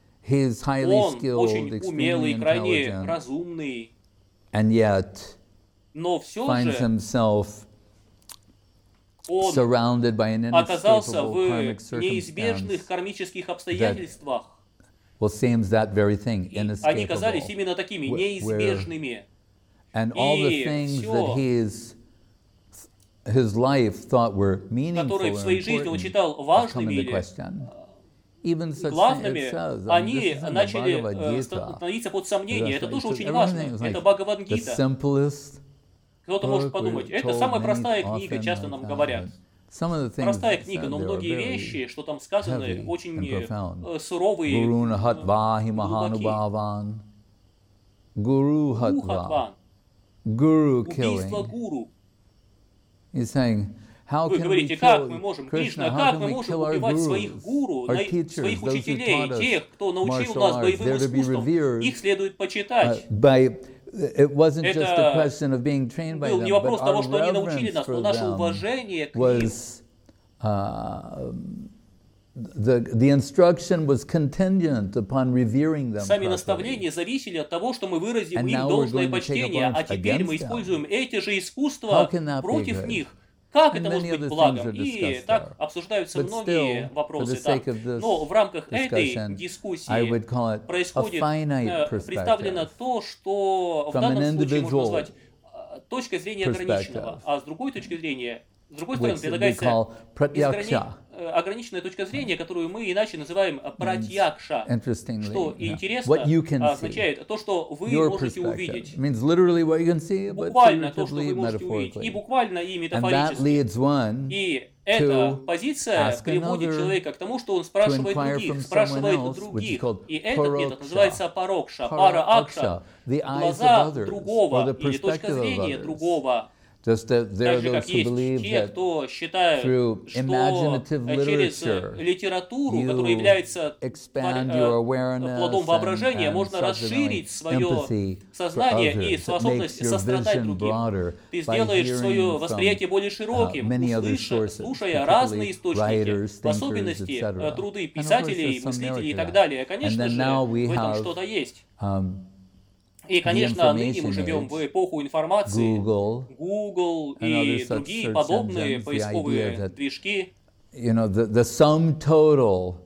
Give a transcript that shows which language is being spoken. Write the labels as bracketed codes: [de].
[ru] Он очень умелый, крайне разумный, но все же он оказался в неизбежных кармических обстоятельствах. [en] Well, seems that very thing, inescapable. [ru] Они казались именно такими, неизбежными. [en] And all the things that his life thought were meaningful and important have come into question. Even such [ru] главными, [en] things, it says, [ru] они начали под сомнение. Это тоже очень важно. Это Бхагавад-гита. Кто-то может подумать, это самая простая книга, часто нам говорят. Простая книга, но многие вещи, что там сказаны, очень суровые, глубокие. [sa] Гуру-хатван. Гуру-хатван. [ru] Убийство гуру. [en] He's saying, how [ru] вы говорите, как мы можем, Кришна, как мы можем убивать своих гуру, своих учителей, тех, кто научил нас боевым искусствам, их следует почитать. [en] It wasn't just a question of being trained by them, but our reverence for them was the instruction was contingent upon revering them. [ru] Сами наставления зависели от того, что мы выразим им должное почтение, а теперь мы используем эти же искусства против них. Как это может быть благом? И так обсуждаются многие вопросы. Но в рамках этой дискуссии происходит представлено то, что в данном случае можно назвать точкой зрения ограниченного, а с другой точки зрения, с другой стороны, предлагается ограниченная точка зрения, которую мы иначе называем пратьякша, что интересно, означает то, что вы можете увидеть. Буквально то, что вы можете увидеть, и буквально, и метафорически. И эта позиция приводит человека к тому, что он спрашивает других, и этот метод называется парокша, параакша, глаза другого или точка зрения другого. [en] Just that there are those who believe that through imaginative literature, you expand your awareness and subconscious empathy for others. That makes your vision broader by hearing from many other sources, particularly writers, thinkers, etc. [ru] Труды писателей, мыслителей и так далее. Конечно же, в этом что-то есть. И, конечно, ныне мы живем в эпоху информации. Google и другие подобные поисковые движки. [en] You know, the sum total